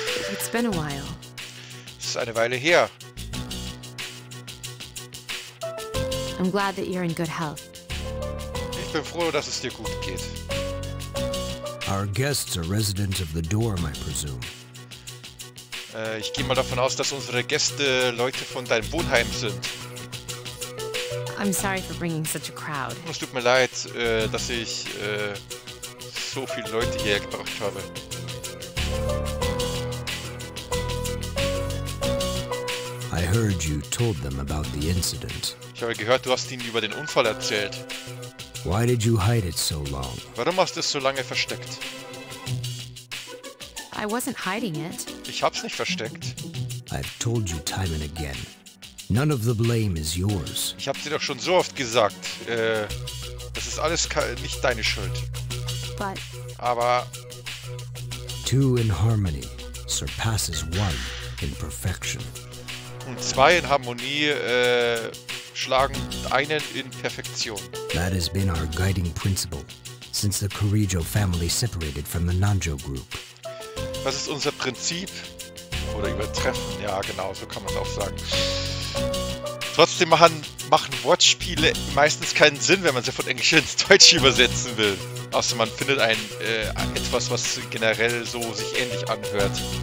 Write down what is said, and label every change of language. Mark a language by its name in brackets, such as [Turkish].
[English] It's been a while. [German] Es ist eine Weile her. [English] I'm glad that you're in good health. [German] Ich bin froh, dass es dir gut geht. [English] Our guests are residents of the dorm, I presume. [German] Ich gehe mal davon aus, dass unsere Gäste Leute von deinem Wohnheim sind. [English] I'm sorry for bringing such a crowd. [German] Es tut mir leid, dass ich so viele Leute hierher gebracht habe. [English] I heard you told them about the incident. [German] Ich habe gehört, du hast ihnen über den Unfall erzählt. [English] Why did you hide it so long? [German] Warum hast du es so lange versteckt? [English] I wasn't hiding it. [German] Ich hab's nicht versteckt. [English] I've told you time and again. None of the blame is yours. [German] Ich hab's dir doch schon so oft gesagt. Das ist alles nicht deine Schuld. [English] But. [German] Aber. [English] Two in harmony surpasses one in perfection. [German] Und zwei in Harmonie schlagen einen in Perfektion. [English] That has been our guiding principle since the Kurijo family separated from the Nanjo group. [German] Das ist unser Prinzip oder übertreffen. Ja, genau, so kann man es auch sagen. Trotzdem machen Wortspiele meistens keinen Sinn, wenn man sie von Englisch ins Deutsche übersetzen will. Außer man findet etwas, was generell so sich ähnlich anhört.